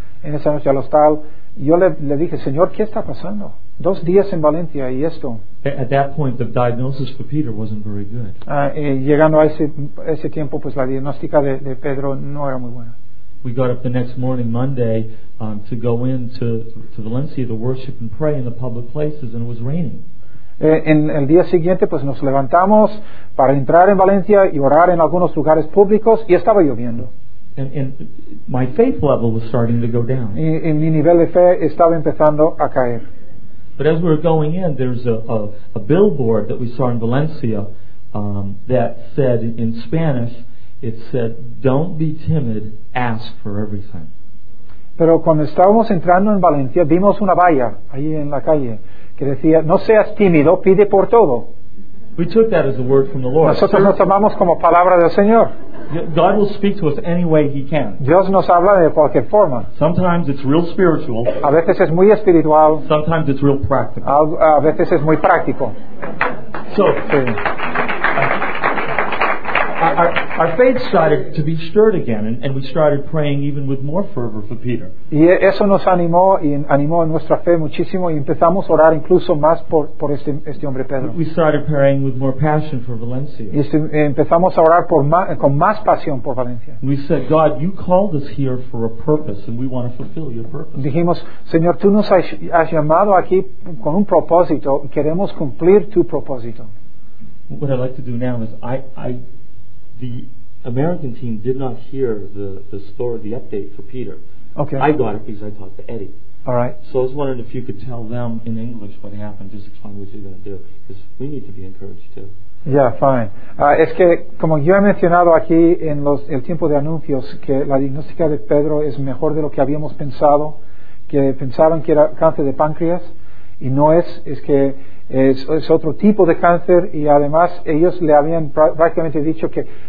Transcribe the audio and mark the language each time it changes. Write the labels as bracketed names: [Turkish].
[Spanish] En esa noche al hostal, yo le dije, Señor, ¿qué está pasando? 2 días en Valencia y esto. [English] At that point, the diagnosis for Peter wasn't very good. [Spanish] Llegando a ese tiempo, pues la diagnóstica de Pedro no era muy buena. [English] We got up the next morning, Monday, to go in to Valencia to worship and pray in the public places, and it was raining. [Spanish] En el día siguiente, pues nos levantamos para entrar en Valencia y orar en algunos lugares públicos, y estaba lloviendo. [English] And my faith level was starting to go down. [Spanish] Y mi nivel de fe estaba empezando a caer. [English] But as we were going in, there's a billboard that we saw in Valencia that said in Spanish, it said, "Don't be timid, ask for everything." [Spanish] Pero cuando estábamos entrando en Valencia, vimos una valla ahí en la calle que decía, "No seas tímido, pide por todo." [English] We took that as a word from the Lord. [Spanish] Nosotros nos tomamos como palabra del Señor. [English] God will speak to us any way He can. [Spanish] Dios nos habla de cualquier forma. [English] Sometimes it's real spiritual. [Spanish] A veces es muy espiritual. [English] Sometimes it's real practical. [Spanish] A veces es muy práctico. [English] So, sí. Our faith started to be stirred again, and we started praying even with more fervor for Peter. [Spanish] Y eso nos animó y animó nuestra fe muchísimo, y empezamos a orar incluso más por este hombre Pedro. [English] We started praying with more passion for Valencia. [Spanish] Empezamos a orar con más pasión por Valencia. [English] We said, God, you called us here for a purpose, and we want to fulfill your purpose. [Spanish] Dijimos, Señor, tú nos has llamado aquí con un propósito, y queremos cumplir tu propósito. [English] What I'd like to do now is the American team did not hear the story, the update for Peter. Okay. I got it because I talked to Eddie. All right. So I was wondering if you could tell them in English what happened, just explain what you're going to do, because we need to be encouraged too. Yeah, fine. [Spanish] Es que como yo he mencionado aquí en el tiempo de anuncios, que la diagnóstica de Pedro es mejor de lo que habíamos pensado, que pensaban que era cáncer de páncreas, y no es que es otro tipo de cáncer, y además ellos le habían prácticamente dicho que